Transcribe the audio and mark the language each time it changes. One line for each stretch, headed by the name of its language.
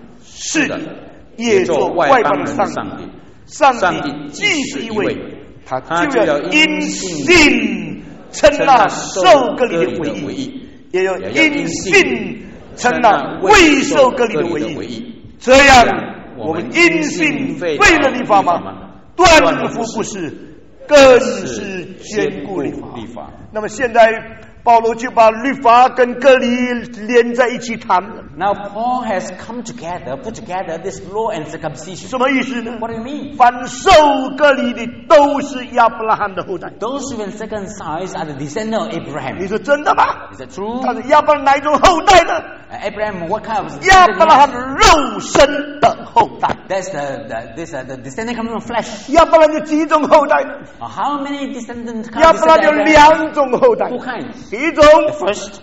Chinese: 是的，也做外邦人的上帝。上帝既是一位，他就要因信称那受割礼的为义，也要因信称那未受割礼的为义。这样，我们因信废了律法吗？断乎不是。更是坚固律法。那么现在保罗就把律法跟割礼连在一起谈了。
English: Now Paul has come together, put together this law and circumcision.
Chinese: 什么意思呢
English: ？What do you mean?
Chinese: 凡受割礼的都是亚伯拉罕的后代。
English: Those who are circumcised are the descendants of Abraham.
Chinese: 你说真的吗
English: ？Is that true?
Chinese: 他是亚伯拉罕哪一种后代呢
English: ？Abraham, what kind of?
Chinese: 亚伯拉罕肉身的后代。
English: that's this the descendant coming from flesh.
Chinese: 亚伯拉罕有几种后代呢？
English: How many descendants come from flesh?
Chinese: 亚伯拉罕有两种后代。
English: Two kinds.
Chinese: 一种
English: the first